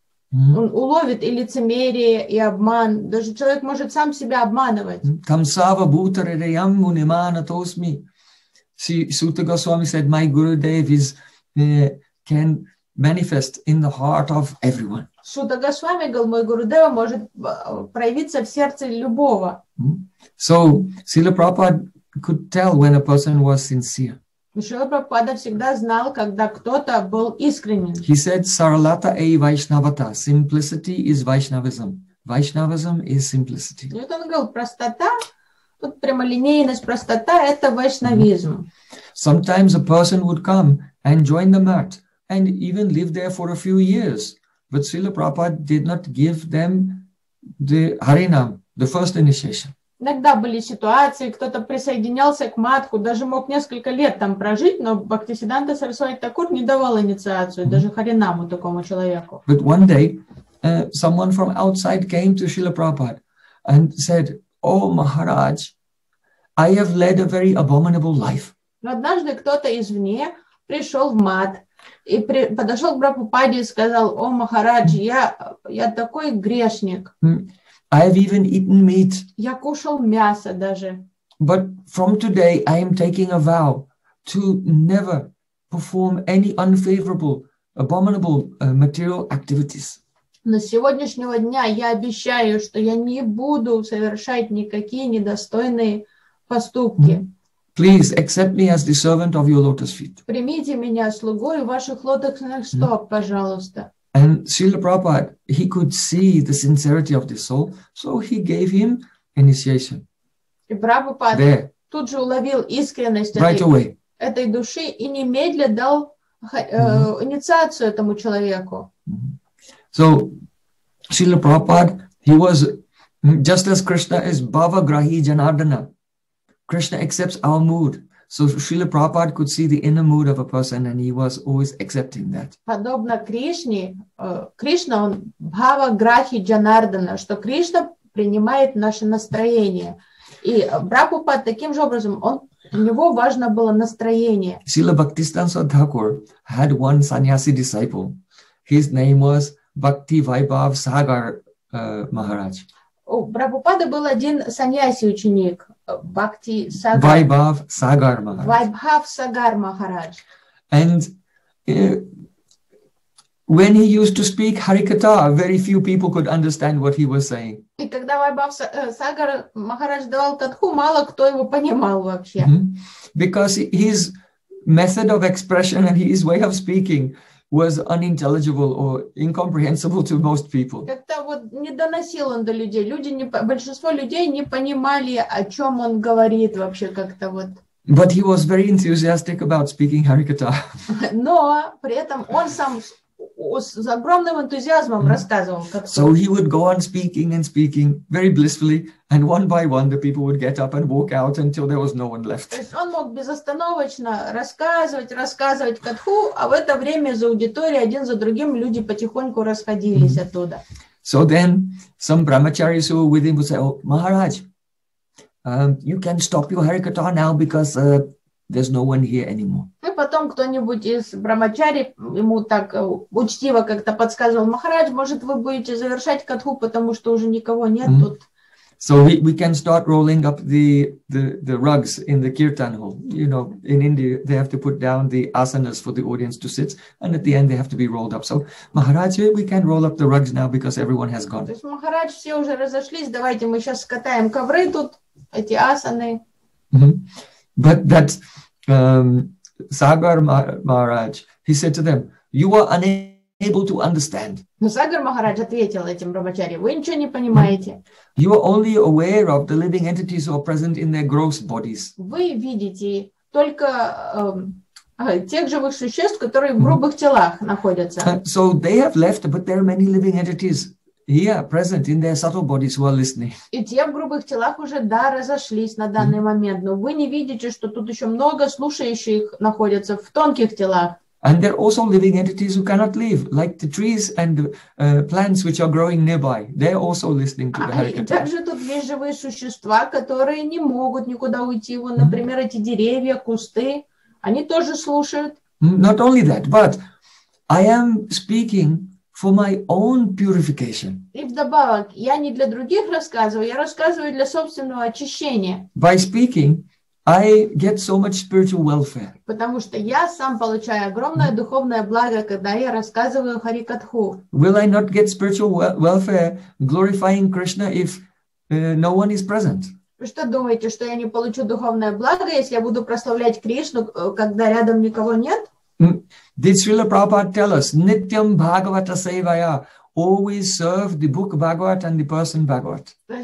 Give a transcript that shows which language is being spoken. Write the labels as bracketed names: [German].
[Russian] Он уловит и лицемерие, и обман. Даже человек может сам себя обманывать. Тамсава бутаре реям мунимана тосми. [English] Сута Госвами said, my guru Dev is, can manifest in the heart of everyone. [Russian] Шута Госвами говорил, мой Гуру Дева может проявиться в сердце любого. [English] So, Srila Prabhupada could tell when a person was sincere. [Russian] Шрила Прабхупада всегда знал, когда кто-то был искренен. [English] He said, [Bangla] Saralata ei Vaishnavata. [English] Simplicity is Vaishnavism. Vaishnavism is simplicity. [Russian] И вот он говорил, простота, вот прямолинейность, простота – это вайшнавизм. [English] Sometimes a person would come and join the mat and even live there for a few years. But Srila Prabhupada did not give them the Harinam, the first initiation. [Russian] Иногда были ситуации, кто-то присоединялся к матху, даже мог несколько лет там прожить, но Бхактисиддханта Сарасвати Такур не давал инициацию, даже Харинаму такому человеку. [English] But one day, someone from outside came to Srila Prabhupada and said, oh, Maharaj, I have led a very abominable life. [Russian] Но однажды кто-то извне пришел в мат. И подошел к Прабхупаде и сказал, о, Махарадж, я такой грешник. [English] I have even eaten meat. [Russian] Я кушал мясо даже. [English] But from today I am taking a vow to never perform any unfavorable, abominable material activities. [Russian] Но с сегодняшнего дня я обещаю, что я не буду совершать никакие недостойные поступки. [English] Please accept me as the servant of your lotus feet. [Russian] Примите меня слугой ваших лотосных стоп, пожалуйста. [English] And Srila Prabhupada, he could see the sincerity of the soul, so he gave him initiation. [Russian] И Прабхупада [English] there. [Russian] Тут же уловил искренность [English] right [Russian] этой, этой души и немедля дал инициацию этому человеку. [English] So, Srila Prabhupada, he was just as Krishna is Bhava Grahi Janardana. Krishna accepts our mood. So Srila Prabhupada could see the inner mood of a person and he was always accepting that. [Russian] Подобно Кришне, Кришна, он Бхава Грахи Джанардана, что Кришна принимает наше настроение. И Прабхупада таким же образом, он, у него важно было настроение. [English] Srila Bhaktisiddhanta Thakur had one sannyasi disciple. His name was Bhakti Vaibhav Sagar Maharaj. [Russian] У Прабхупады был один саньяси ученик, Бхакти Сагар. Вайбхав Сагар Махарадж. Вайбхав Сагар Махарадж. [English] And when he used to speak Харикатха, very few people could understand what he was saying. [Russian] И когда Вайбхав Сагар Махарадж давал татху, мало кто его понимал вообще. [English] Because his method of expression and his way of speaking was unintelligible or incomprehensible to most people. [Russian] Как-то вот не доносил он до людей. Люди не, большинство людей не понимали, о чем он говорит вообще как-то вот. [English] But he was very enthusiastic about speaking Harikatha. [Russian] Но при этом он сам с огромным энтузиазмом рассказывал. Как-то. [English] So he would go on speaking and speaking very blissfully, and one by one the people would get up and walk out until there was no one left. [Russian] То есть он мог безостановочно рассказывать катху, а в это время за аудиторией один за другим люди потихоньку расходились оттуда. [English] So then some brahmacharis who were with him would say, oh, Maharaj, you can stop your harikatha now because there's no one here anymore. [Russian] И потом кто-нибудь из брамачари ему так учтиво как-то подсказывал, Махарадж, может, вы будете завершать катху, потому что уже никого нет тут. [English] So we can start rolling up the rugs in the kirtan hall. You know, in India, they have to put down the asanas for the audience to sit, and at the end, they have to be rolled up. So, Maharaj, we can roll up the rugs now because everyone has gone. [Russian] Maharaj, все уже разошлись. Давайте мы сейчас скатаем ковры тут, эти асаны. [English] But that Sagar Maharaj, he said to them, you are unable to understand. [Russian] Но Сагар Махарадж ответил этим брахмачари, вы ничего не понимаете. [English] You are only aware of the living entities who are present in their gross bodies. [Russian] Вы видите только тех живых существ, которые в грубых телах находятся. [English] So they have left, but there are many living entities here present in their subtle bodies who are listening. [Russian] И те в грубых телах уже, да, разошлись на данный момент, но вы не видите, что тут еще много слушающих находятся в тонких телах. [English] And there are also living entities who cannot leave, like the trees and the plants which are growing nearby. They're also listening to the Harikatha. [Russian] Также тут есть живые существа, которые не могут никуда уйти. Вот, например, эти деревья, кусты, они тоже слушают. [English] Not only that, but I am speaking for my own purification. [Russian] И вдобавок, я не для других рассказываю, я рассказываю для собственного очищения. [English] By speaking, I get so much spiritual welfare. [Russian] Потому что я сам получаю огромное духовное благо, когда я рассказываю харикатху. [English] Will I not get spiritual welfare glorifying Krishna if no one is present? [Russian] Вы что думаете, что я не получу духовное благо, если я буду прославлять Кришну, когда рядом никого нет? [English] Did Srila Prabhupada tell us, [Sanskrit] Nityam Bhagavata Sevaya, [English] always serve the book Bhagavat and the person Bhagavat?